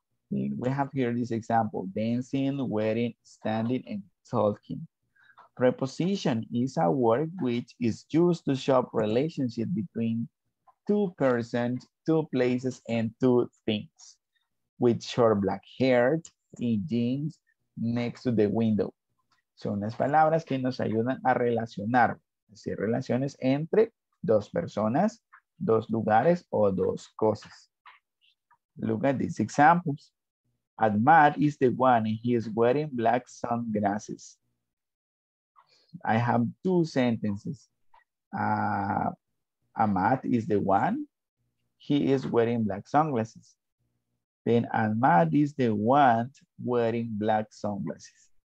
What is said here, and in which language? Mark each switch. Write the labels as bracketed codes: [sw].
[en] We have here this example, dancing, wearing, standing, and talking. Preposition is a word which is used to show relationship between two persons, two places, and two things. With short black hair, in jeans, next to the window. [es] Son las palabras que nos ayudan a relacionar, hacer relaciones entre dos personas, dos lugares, o dos cosas. [en] Look at these examples. Admar is the one and he is wearing black sunglasses. I have two sentences. Amat is the one. He is wearing black sunglasses. Then Admar is the one wearing black sunglasses.